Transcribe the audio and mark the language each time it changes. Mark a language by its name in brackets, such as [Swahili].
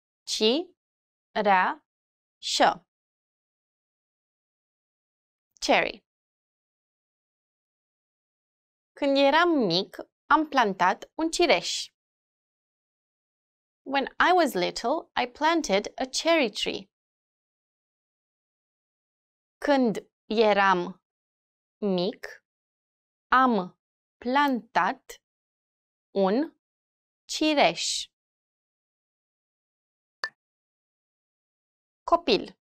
[Romanian] Cireașă. [English] Cherry. [Romanian] Când eram mic, am plantat un cireș. [English] When I was little, I planted a cherry tree. [Romanian] Când eram mic, am plantat un cireș. Copil.